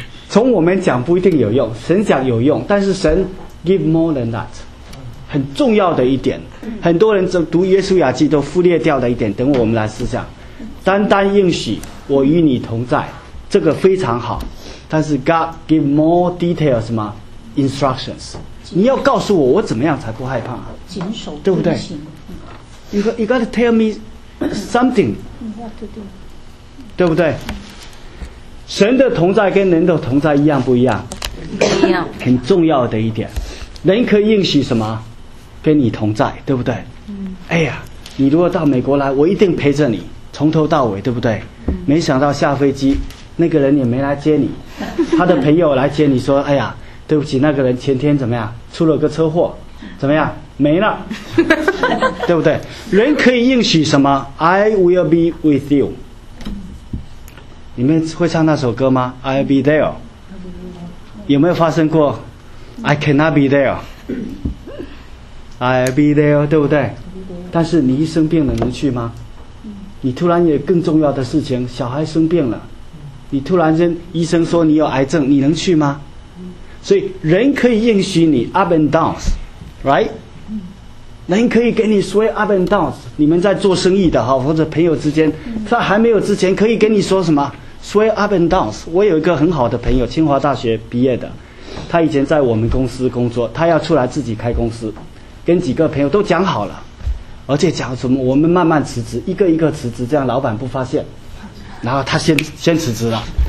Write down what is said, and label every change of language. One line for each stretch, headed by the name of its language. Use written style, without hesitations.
Chinese: 从我们讲不一定有用，神讲有用，但是神
English: give more than that，
Chinese: 很重要的一点，很多人读约书亚记都忽略掉的一点。等我们来思想，单单应许我与你同在，这个非常好，但是
English: God give more details
Chinese: 是吗？ instructions， 你要告诉我怎么样才不害怕，啊，谨守，对不对？
English: You got to tell me something，
Chinese: 对不对？神的同在跟人的同在一样不一样？不一样。很重要的一点，人可以应许什么？跟你同在，对不对？嗯。哎呀，你如果到美国来，我一定陪着你从头到尾，对不对？嗯。没想到下飞机那个人也没来接你，他的朋友来接你说，哎呀，对不起，那个人前天怎么样出了个车祸，怎么样没了。对不对？人可以应许什么？
English: I will be with you。
Chinese: 你们会唱那首歌吗？
English: I'll be there。
Chinese: 有没有发生过
English: I cannot be there， I'll be there，
Chinese: 对不对？但是你一生病了能去吗？你突然有更重要的事情，小孩生病了，你突然间医生说你有癌症，你能去吗？所以人可以应许你
English: up and downs， right？
Chinese: 人可以给你
English: swear up and downs。
Chinese: 你们在做生意的哈，或者朋友之间，在还没有之前可以跟你说什么
English: swear up and downs。
Chinese: 我有一个很好的朋友，清华大学毕业的，他以前在我们公司工作，他要出来自己开公司，跟几个朋友都讲好了，而且讲什么我们慢慢辞职，一个一个辞职，这样老板不发现，然后他先辞职了。